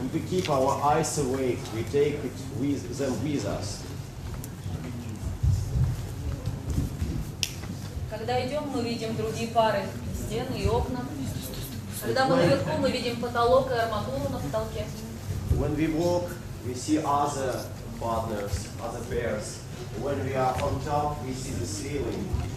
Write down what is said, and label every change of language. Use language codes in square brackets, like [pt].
[en] Keep our eyes awake, we take it with them with us. [ru] Когда идем, мы видим другие пары, стены и окна. Когда мы наверху, мы видим потолок и арматуру на потолке. [en] When we walk, we see other partners, other pairs. When we are on top, we see the ceiling.